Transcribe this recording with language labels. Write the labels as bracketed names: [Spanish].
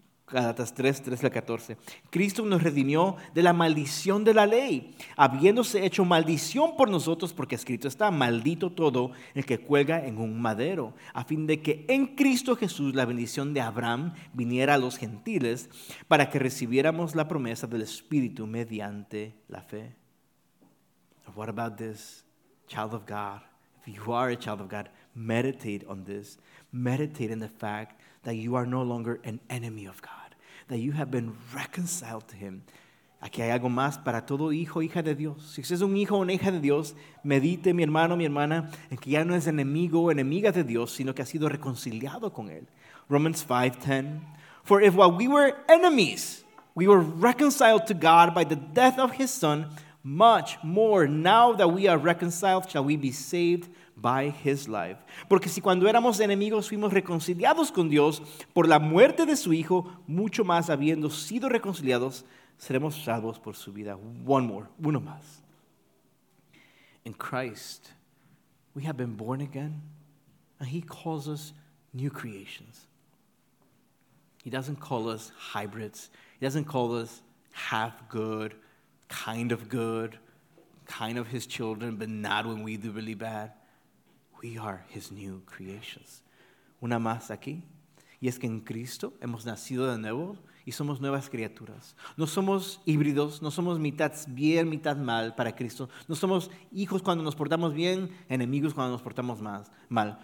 [Spanish] Galatas 3:13-14. Cristo nos redimió de la maldición de la ley, habiéndose hecho maldición por nosotros, porque escrito está, maldito todo el que cuelga en un madero, a fin de que en Cristo Jesús la bendición de Abraham viniera a los gentiles, para que recibiéramos la promesa del Espíritu mediante la fe. [English] What about this, child of God? If you are a child of God, meditate on this. Meditate in the fact that you are no longer an enemy of God, that you have been reconciled to him. [Spanish] Aquí hay algo más para todo hijo o hija de Dios. Si usted es un hijo o una hija de Dios, medite, mi hermano, mi hermana, en que ya no es enemigo o enemiga de Dios, sino que ha sido reconciliado con él. [English] Romans 5:10. For if while we were enemies, we were reconciled to God by the death of his son, much more now that we are reconciled shall we be saved by his life. [Spanish] Porque si cuando éramos enemigos fuimos reconciliados con Dios por la muerte de su hijo, mucho más habiendo sido reconciliados seremos salvos por su vida. [English] One more, [Spanish] uno más. [English] In Christ we have been born again, and he calls us new creations. He doesn't call us hybrids. He doesn't call us half good, kind of good, kind of his children, but not when we do really bad. We are his new creations. [Spanish] Una más aquí. Y es que en Cristo hemos nacido de nuevo y somos nuevas criaturas. No somos híbridos, no somos mitad bien, mitad mal para Cristo. No somos hijos cuando nos portamos bien, enemigos cuando nos portamos mal.